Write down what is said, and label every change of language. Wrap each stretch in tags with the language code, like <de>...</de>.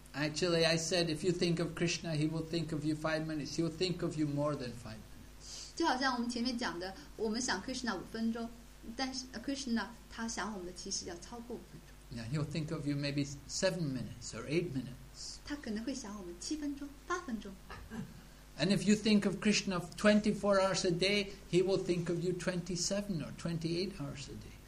<en>Actually, I said, if you think of Krishna, he will think of you 5 minutes. He will think of you more than 5 minutes.</en> <zh>就好像我们前面讲的，我们想 Krishna 五分钟，但是 Krishna 他想我们的其实要超过五分钟。</zh> <en>Yeah, he'll think of you maybe 7 minutes or 8 minutes.</en> <zh>他可能会想我们七分钟、八分钟。</zh> <en>And if you think of Krishna 24 hours a day, he will think of you 27 or 28 hours a day.</en>